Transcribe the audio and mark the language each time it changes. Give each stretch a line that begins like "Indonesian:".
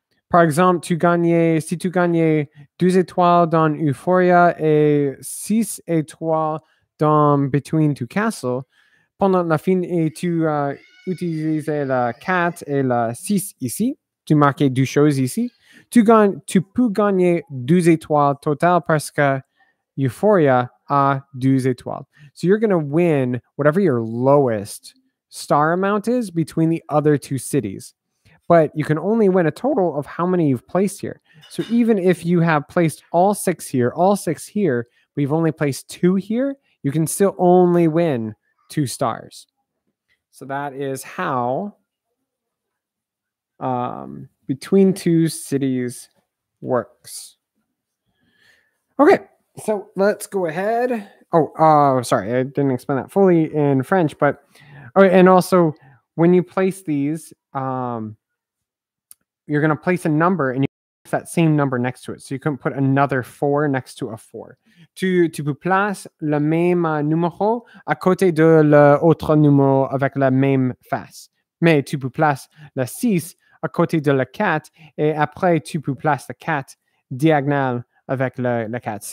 French: Par exemple, si tu gagnais 2 étoiles dans Euphoria et 6 étoiles dans Between Two Castles, pendant la fin, et tu utilisais la 4 et la 6 ici, tu marques deux choses ici. Tu gagnes, tu peux gagner deux étoiles total parce que Euphoria a deux étoiles.
English: So you're going to win whatever your lowest star amount is between the other two cities. But you can only win a total of how many you've placed here. So even if you have placed all six here, but you've only placed two here, you can still only win two stars. So that is how between two cities works. Okay, so let's go ahead. Sorry, I didn't explain that fully in French, but oh, and also when you place these, you're going to place a number and you put that same number next to it. So you can put another four next to a four.
French: Tu peux placer le même numéro à côté de l'autre numéro avec la même face. Mais tu peux placer le 6 à côté de le 4 et après tu peux placer le 4 diagonale avec le 4.